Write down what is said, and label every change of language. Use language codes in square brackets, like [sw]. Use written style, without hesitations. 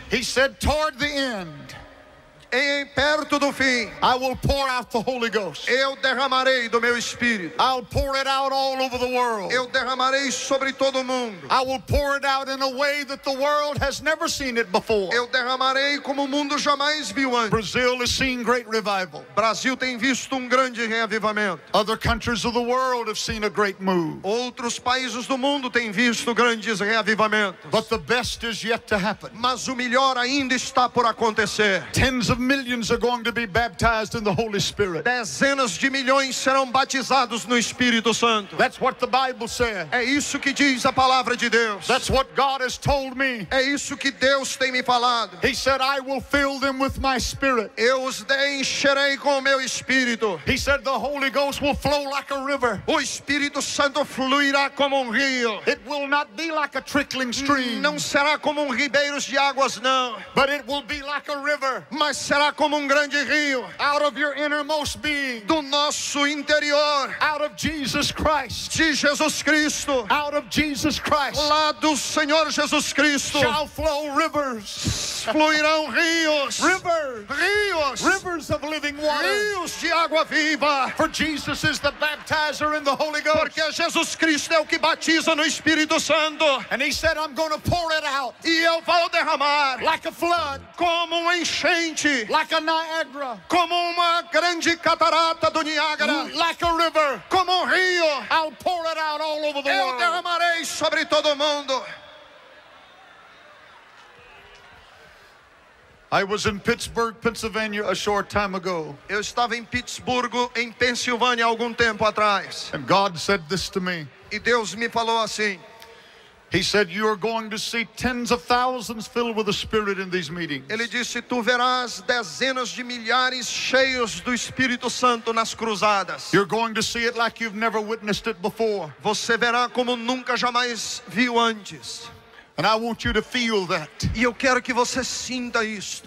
[en] He said toward the end. [pt] perto do fim, [en] I will pour out the Holy Ghost. [pt] Eu derramarei do meu Espírito. [en] I'll pour it out all over the world. [pt] Eu derramarei sobre todo mundo. [en] I will pour it out in a way that the world has never seen it before. [pt] Eu derramarei como o mundo jamais viu antes. [en] Brazil is seeing great revival. [pt] Brasil tem visto grande reavivamento. [en] Other countries of the world have seen a great move. [pt] Outros países do mundo têm visto grandes reavivamentos. [en] But the best is yet to happen. [pt] Mas o melhor ainda está por acontecer. [en] Tens of millions are going to be baptized in the Holy Spirit. [pt] Dezenas de milhões serão batizados no Espírito Santo. [en] That's what the Bible says. [pt] É isso que diz a palavra de Deus. [en] That's what God has told me. [pt] É isso que Deus tem me falado. [en] He said, I will fill them with my Spirit. [pt] Eu os encherei com o meu Espírito. [en] He said, the Holy Ghost will flow like a river. [pt] O Espírito Santo fluirá como rio. [en] It will not be like a trickling stream. [pt] Não será como ribeiros de águas, não. [en] But it will be like a river. [pt] Mas será como grande rio. [en] Out of your innermost being. [pt] Do nosso interior. [en] Out of Jesus Christ. [pt] De Jesus Cristo. [en] Out of Jesus Christ. [pt] Lá do Senhor Jesus Cristo. [en] Shall flow rivers. [pt] Fluirão rios. [en] Rivers. [pt] Rios. [en] Rivers of living water. [pt] Rios de água viva. [en] For Jesus is the baptizer in the Holy Ghost. [pt] Porque Jesus Cristo é o que batiza no Espírito Santo. [en] And he said, I'm going to pour it out. [pt] E eu vou derramar. [en] Like a flood. [pt] Como um enchente. [en] Like a Niagara. [pt] Como uma grande catarata do Niágara. [en] Like a river. [pt] Como um rio. [en] I'll pour it out all over the world. [pt] Eu derramarei sobre todo mundo. [en] I was in Pittsburgh, Pennsylvania a short time ago. [pt] Eu estava em Pittsburgh, em Pensilvânia, algum tempo atrás. [en] And God said this to me. [pt] E Deus me falou assim. [en] He said, you are going to see tens of thousands filled with the Spirit in these meetings. [pt] Ele disse, tu verás dezenas de milhares cheios do Espírito Santo nas cruzadas. [en] You're going to see it like you've never witnessed it before. [pt] Você verá como nunca jamais viu antes. [en] And I want you to feel that. [pt] E eu quero que você sinta isto.